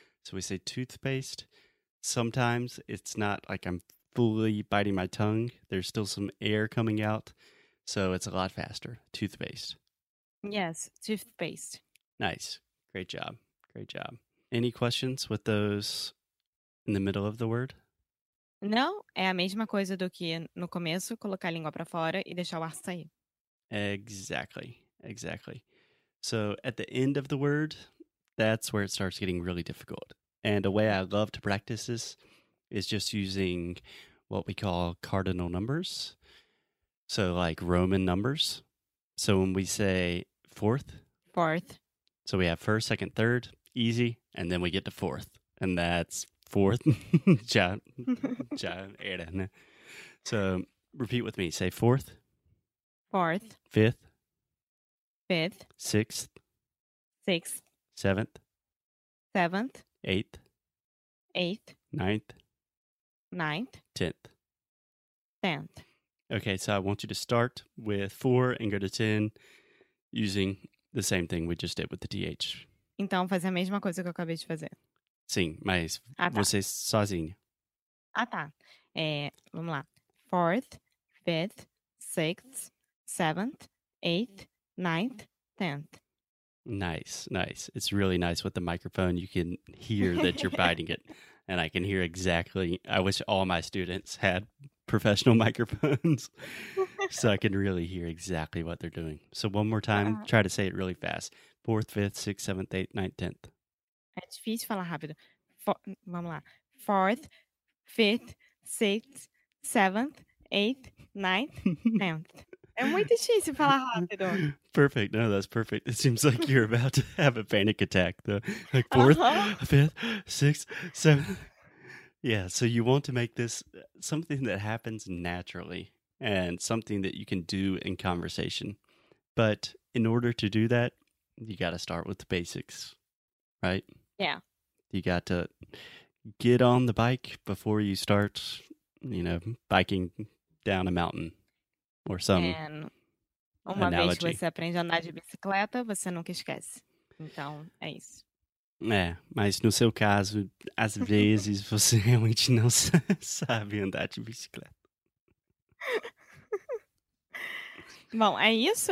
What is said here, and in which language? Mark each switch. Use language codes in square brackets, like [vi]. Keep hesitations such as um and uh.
[en] So we say toothpaste. Sometimes it's not like I'm fully biting my tongue, there's still some air coming out. So it's a lot faster. Toothpaste. Yes, toothpaste. Nice. Great job. Great job. Any questions with those in the middle of the word? [pt] Não, é a mesma coisa do que no começo, colocar a língua para fora e deixar o ar sair. [en] Exactly, exactly. So at the end of the word, that's where it starts getting really difficult. And a way I love to practice this is just using what we call cardinal numbers. So like Roman numbers. So when we say fourth, fourth. So we have first, second, third, easy, and then we get to fourth. And that's fourth chat chat eden so repeat with me say fourth fourth fifth fifth sixth sixth seventh seventh eighth eighth ninth ninth tenth tenth okay so i want you to start with four and go to ten using the same thing we just did with the th [pt] então faz a mesma coisa que eu acabei de fazer Sim, mas ah, tá. você sozinho. Ah, tá. É, Fourth, fifth, sixth, seventh, eighth, ninth, tenth. [en] Nice, nice. It's really nice with the microphone. You can hear that you're biting it. And I can hear exactly. I wish all my students had professional microphones so I can really hear exactly what they're doing. So, one more time, Ata. try to say it really fast. Fourth, fifth, sixth, seventh, eighth, ninth, tenth. [pt] É difícil falar rápido. For, vamos lá. [en] Fourth, fifth, sixth, seventh, eighth, ninth, tenth. [pt] é muito difícil falar rápido. [en] Perfect. No, that's perfect. It seems like you're about to have a panic attack. The, like, fourth, uh -huh. fifth, sixth, seventh. Yeah, so you want to make this something that happens naturally and something that you can do in conversation. But in order to do that, you got to start with the basics, right? Yeah. You got to get on the bike before you start, you know, biking down a mountain or some. And [pt] é, uma analogy. vez que você aprende a andar de bicicleta, você nunca esquece. Então, é isso. É, mas no seu caso, às vezes você realmente não sabe andar de bicicleta. Bom, é isso?